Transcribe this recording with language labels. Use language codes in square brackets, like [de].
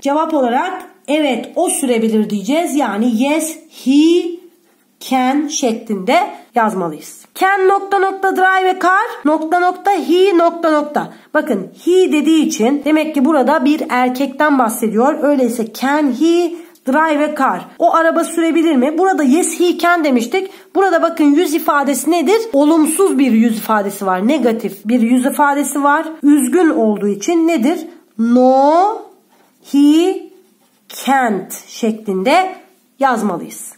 [tr] Cevap olarak evet o sürebilir diyeceğiz. Yani [en] yes he can [tr] şeklinde yazmalıyız. Can nokta nokta [en] drive a car [tr] nokta nokta he nokta nokta. Bakın he dediği için demek ki burada bir erkekten bahsediyor. Öyleyse [en] can he drive a car? [tr] O araba sürebilir mi? Burada [en] yes he can [tr] demiştik. Burada bakın yüz ifadesi nedir? Olumsuz bir yüz ifadesi var. Negatif bir yüz ifadesi var. Üzgün olduğu için nedir? [en] No he can't [tr] şeklinde yazmalıyız.